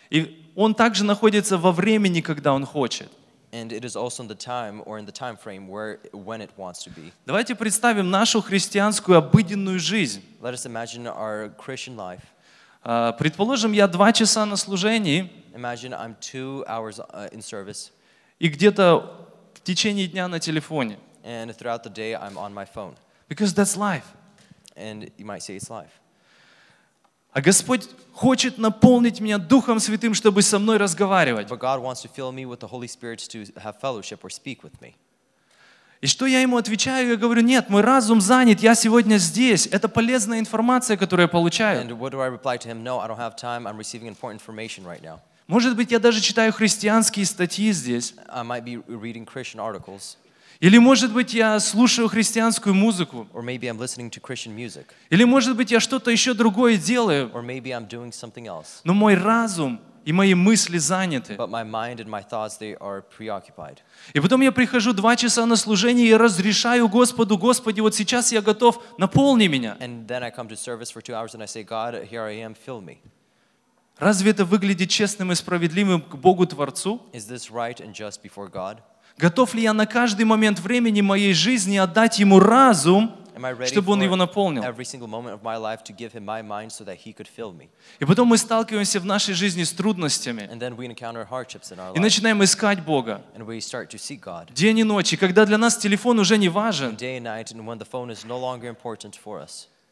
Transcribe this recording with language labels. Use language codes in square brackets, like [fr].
[ru] И он также находится во времени, когда он хочет. [en] And it is also in the time or in the time frame where when it wants to be. [ru] Давайте представим нашу христианскую обыденную жизнь. [en] Let us imagine our Christian life. [ru] Предположим, я 2 часа на служении. [en] Imagine I'm 2 hours in service. [ru] И где-то в течение дня на телефоне. [en] And throughout the day I'm on my phone. Because that's life. And you might say it's life. [ru] А Господь хочет наполнить меня Духом Святым, чтобы со мной разговаривать. [en] But God wants to fill me with the Holy Spirit to have fellowship or speak with me. [ru] И что я ему отвечаю? Я говорю: нет, мой разум занят, я сегодня здесь. Это полезная информация, которую я получаю. [en] And what do I reply to him? No, I don't have time. I'm receiving important information right now. [ru] Может быть, я даже читаю христианские статьи здесь. [en] I might be reading Christian articles. [ru] Или, может быть, я слушаю христианскую музыку. [en] Or maybe I'm listening to Christian music. [ru] Или, может быть, я что-то еще другое делаю. [en] Or maybe I'm doing something else. [ru] Но мой разум и мои мысли заняты. [en] But my mind and my thoughts, they are preoccupied. [ru] И потом я прихожу 2 часа на служение и разрешаю Господу: Господи, вот сейчас я готов, наполни меня. [en] And then I come to service for 2 hours and I say, God, here I am, fill me. [ru] Разве это выглядит честным и справедливым к Богу Творцу? [en] Is this right and just before God? [ru] Готов ли я на каждый момент времени моей жизни отдать ему разум, чтобы он его наполнил? [en] Every single moment of my life to give him my mind so that he could fill me. [ru] И потом мы сталкиваемся в нашей жизни с трудностями. [en] And then we encounter hardships in our life. [ru] И начинаем искать Бога. [en] And we start to seek God. [ru] День и ночь, и когда для нас телефон уже не важен. [en] Day and night, and when the phone is no longer important for us.